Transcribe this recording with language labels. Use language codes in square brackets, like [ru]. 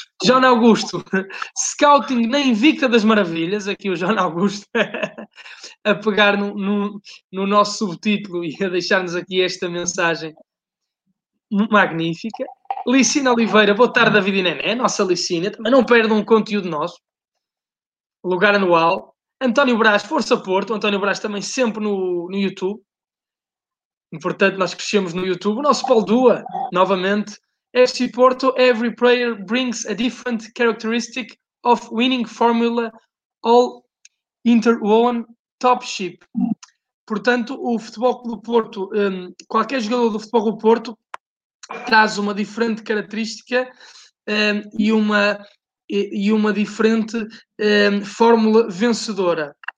[pt] João Augusto, scouting na Invicta das Maravilhas, aqui o João Augusto, a pegar no nosso subtítulo e a deixar-nos aqui esta mensagem magnífica. Licina Oliveira, boa tarde, David e Nené, nossa Licina, também não perde um conteúdo nosso, lugar anual. António Brás, força Porto, António Brás também sempre no YouTube. Importante, nós crescemos no YouTube. O nosso Paulo Dua, novamente. [en] FC Porto, every player brings a different characteristic of winning formula, all interwoven top ship. [pt] Portanto, o Futebol Clube do Porto, qualquer jogador do Futebol Clube do Porto, traz uma diferente característica e uma diferente fórmula vencedora.